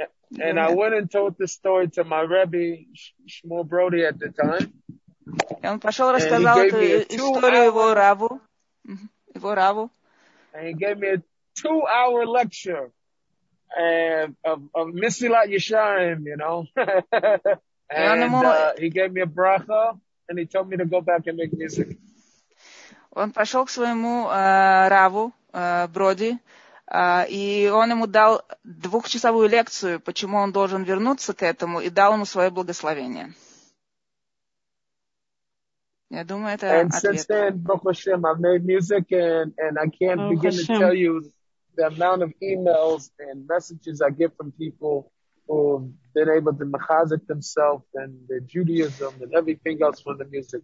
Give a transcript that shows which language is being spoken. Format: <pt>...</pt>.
<en>And I went and told this story to my Rebbe, Shmuel Brody, at the time.</en> <ru>И он пошел рассказал эту историю его раву. Его раву.</ru> <en>And he gave me a 2-hour lecture of Misilat Yeshayim, you know. And he gave me a bracha and he told me to go back and make music.</en> <ru>Он пошел к своему раву, Броди, И он ему дал двухчасовую лекцию, почему он должен вернуться к этому, и дал ему свое благословение. Я думаю, это ответ.</ru> <en>And since then, Baruch Hashem, I've made music and I can't begin to tell you the amount of emails and messages I get from people who've been able to mechazik themselves and their Judaism and everything else from the music.</en>